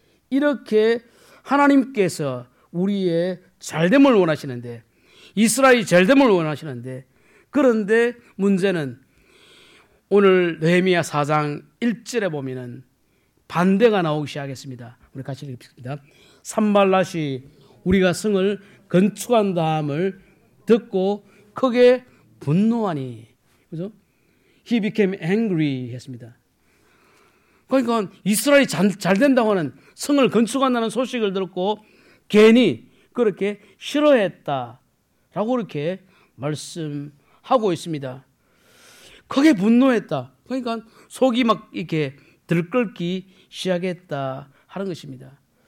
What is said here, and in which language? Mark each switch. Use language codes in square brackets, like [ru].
[ko] 이렇게 하나님께서 우리의 잘됨을 원하시는데, 이스라엘이 잘됨을 원하시는데, 그런데 문제는 오늘 느헤미야 4장 1절에 보면은 반대가 나오기 시작했습니다. 우리 같이 읽겠습니다. 산발랏이 우리가 성을 건축한 다음을 듣고 크게 분노하니, 그죠? [en] He became angry [ko] 했습니다. 그러니까 이스라엘이 잘 된다고 하는 성을 건축한다는 소식을 듣고 괜히 그렇게 싫어했다라고 이렇게 말씀하고 있습니다. 크게 분노했다. 그러니까 속이 막 이렇게 들끓기 시작했다 하는 것입니다.